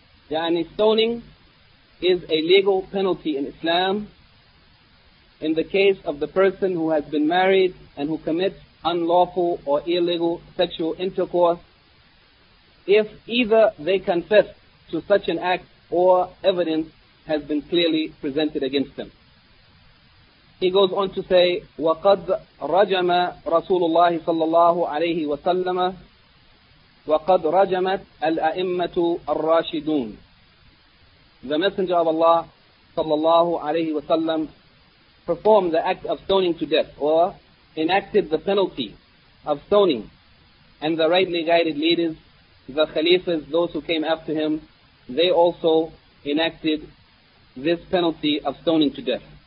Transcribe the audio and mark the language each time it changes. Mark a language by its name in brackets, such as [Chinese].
[English] Yani stoning is a legal penalty in Islam in the case of the person who has been married and who commits unlawful or illegal sexual intercourse, if either they confess to such an act or evidence has been clearly presented against them. [Arabic] He goes on to say, وَقَدْ رَجَمَ رَسُولُ اللَّهِ صَلَّى اللَّهُ عَلَيْهِ وَسَلَّمَ وَقَدْ رَجَمَتْ الْأَئِمَّةُ الرَّاشِدُونَ. [English] The Messenger of Allah, sallallahu alayhi wa sallam performed the act of stoning to death or enacted the penalty of stoning, and the rightly guided leaders, the khalifas, those who came after him, they also enacted this penalty of stoning to death.